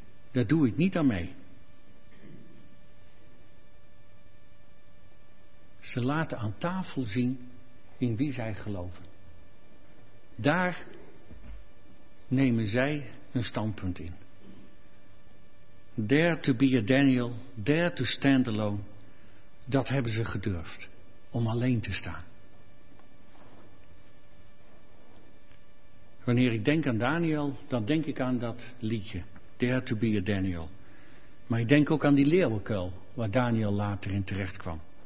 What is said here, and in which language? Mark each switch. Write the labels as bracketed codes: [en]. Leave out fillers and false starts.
[nl] Daar doe ik niet aan mee. Ze laten aan tafel zien in wie zij geloven. Daar nemen zij een standpunt in. [en] Dare to be a Daniel, dare to stand alone. [nl] Dat hebben ze gedurfd, om alleen te staan. Wanneer ik denk aan Daniel, dan denk ik aan dat liedje, [en] Dare to be a Daniel. [nl] Maar ik denk ook aan die leeuwenkuil, waar Daniel later in terecht kwam.